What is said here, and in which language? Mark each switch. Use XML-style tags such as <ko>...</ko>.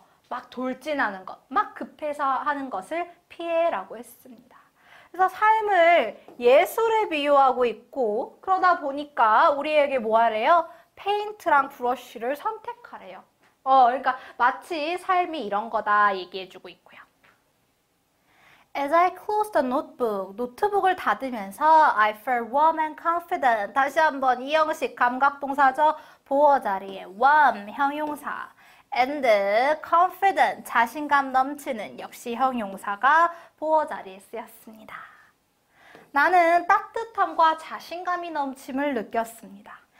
<ko>막 돌진하는 것, 막 급해서 하는 것을 피해라고 했습니다. 그래서 삶을 예술에 비유하고 있고, 그러다 보니까 우리에게 뭐하래요? 페인트랑 브러쉬를 선택하래요. 그러니까 마치 삶이 이런 거다 얘기해주고 있고요.</ko> <en>As I closed the notebook,</en> <ko>노트북을 닫으면서</ko> <en>I felt warm and confident.</en> <ko>다시 한번 이 형식 감각동사죠. 보어 자리에 warm 형용사.</ko> <en>And confident,</en> <ko>자신감 넘치는 역시 형용사가 보어 자리에 쓰였습니다. 나는 따뜻함과 자신감이 넘침을 느꼈습니다.</ko>